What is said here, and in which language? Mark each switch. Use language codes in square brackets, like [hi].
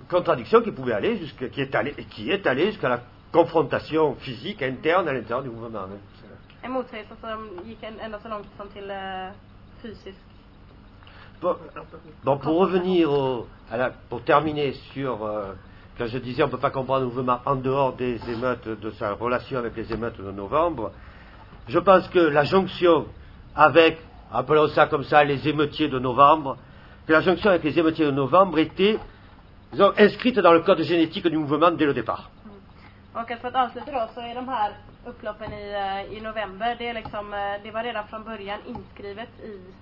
[fr] Contradiction qui pouvait aller qui est allée jusqu'à la confrontation physique interne à l'intérieur du mouvement. [sv] En motsägelse som gick ända så långt som till fysisk. [fr] Bon, pour revenir pour terminer sur quand je disais on ne peut pas comprendre le mouvement en dehors des émeutes, de sa relation avec les émeutes de novembre, je pense que la jonction avec, appelons ça comme ça, les émeutiers de novembre, que la jonction avec les émeutiers de novembre était, disons, inscrite dans le code génétique du mouvement dès le départ. Ok, pour terminer, ce sont ces [sv] upploppen i novembre, det är liksom, det var redan från början inskrivet i...